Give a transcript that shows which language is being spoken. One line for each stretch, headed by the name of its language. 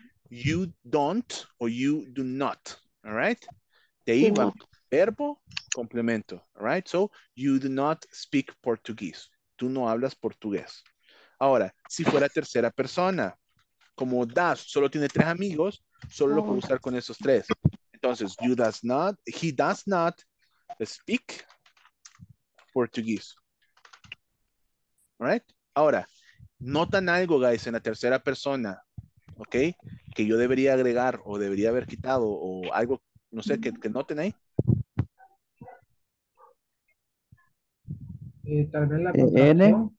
English: You don't o you do not. All right?
Spanish: De ahí va. Verbo, complemento.
English: All right? So, you do not speak Portuguese.
Spanish: Tú no hablas portugués. Ahora, si fuera tercera persona, como Das solo tiene tres amigos, solo lo puedo usar con esos tres.
English: Entonces, you does not, he does not speak Portuguese. Right?
Spanish: Ahora, notan algo, guys, en la tercera persona, ¿ok? Que yo debería agregar o debería haber quitado o algo, no sé, que noten ahí. Tal vez la N.